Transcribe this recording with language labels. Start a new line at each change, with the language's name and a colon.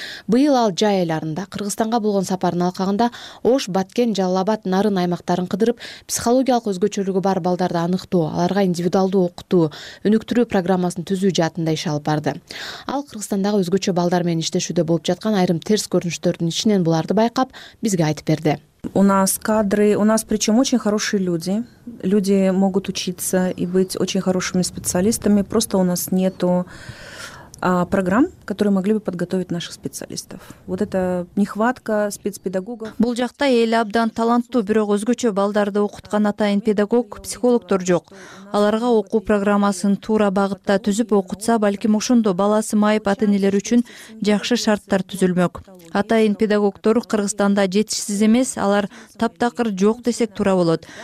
Kyrgyz: Быйыл ал жай айларында Кыргызстанга болгон сапарынын алкагында Ош, Баткен, Жалалабад, Нарын аймактарын кыдырып, психологиялык өзгөчөлүгү бар балдарды аныктоо, аларга индивидуалдуу окутуу, өнүктүрүү программасын түзүү жаатында иш алып барды. Ал Кыргызстандагы өзгөчө балдар менен иштешүүдө болуп жаткан айрым терс көрүнүштөрдүн ичинен буларды байкап, бизге айтып берди.
Russian: У нас кадры, у нас причем очень хорошие люди. Люди могут учиться и быть очень хорошими специалистами, просто у нас нету программ, которые могли бы подготовить наших специалистов. Вот это нехватка спецпедагогов.
Kyrgyz: Бул жакта эл абдан таланттуу, бирок өзгөчө балдарды окуткан атайын педагог, психологтор жок. Аларга окуу программасын туура багытта түзүп окутса, балким ошондо баласы майып ата-энелер үчүн жакшы шарттар түзүлмөк. Атайын педагогтор Кыргызстанда жетишсиз эмес, алар таптакыр жок десек туура болот.